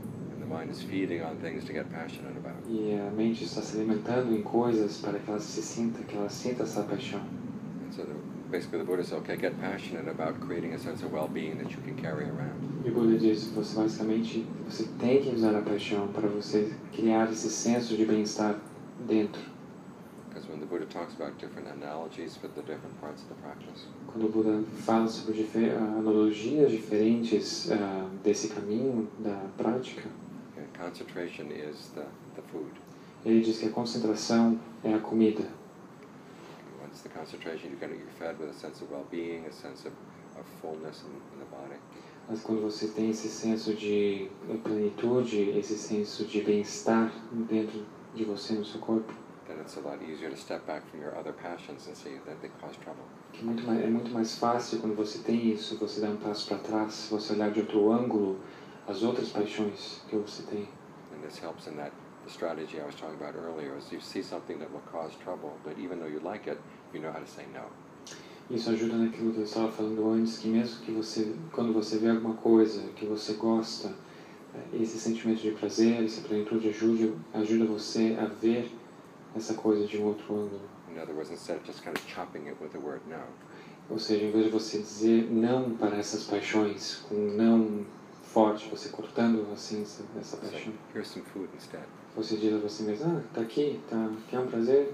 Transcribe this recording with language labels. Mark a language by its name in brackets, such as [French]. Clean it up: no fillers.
[English] And the mind is feeding on things to get passionate about. [Portuguese] E a mente está se alimentando em coisas para que ela se sinta, que ela sinta essa paixão. [English] And so basically the Buddha says, okay, get passionate about creating a sense of well-being that you can carry around. [Portuguese] E o Buda diz, você basicamente, você tem que usar a paixão para você criar esse senso de bem-estar dentro. [English] When the Buddha talks about different analogies for the different parts of the practice. [Portuguese] Quando o Buda fala sobre analogias diferentes desse caminho da prática. [English] Okay, concentration is the food. [Portuguese] Ele diz que a concentração é a comida. [English] Okay, once the concentration, you're going to be fed with a sense of well-being, a sense of fullness in the body. [Portuguese] Mas quando você tem esse senso de plenitude, esse senso de bem-estar dentro de você, no seu corpo. [English] Then it's a lot easier to step back from your other passions and see that they cause trouble. [Portuguese] Que é muito mais fácil quando você tem isso, você dá um passo para trás, você olhar de outro ângulo as outras paixões que você tem. [English] And this helps in that the strategy I was talking about earlier is you see something that will cause trouble, but even though you like it, you know how to say no. [Portuguese] Isso ajuda naquilo que eu estava falando antes, que mesmo que você, quando você vê alguma coisa que você gosta, esse sentimento de prazer, essa plenitude ajuda você a ver essa coisa de um outro ângulo. [English] In other words, instead of just kind of chopping it with the word no. [Portuguese] Ou seja, em vez de você dizer não para essas paixões, com um não forte, você cortando assim essa paixão. [English] So, here's some food instead. [Portuguese] Você diz a você mesmo, ah, tá aqui, tá, quer um prazer?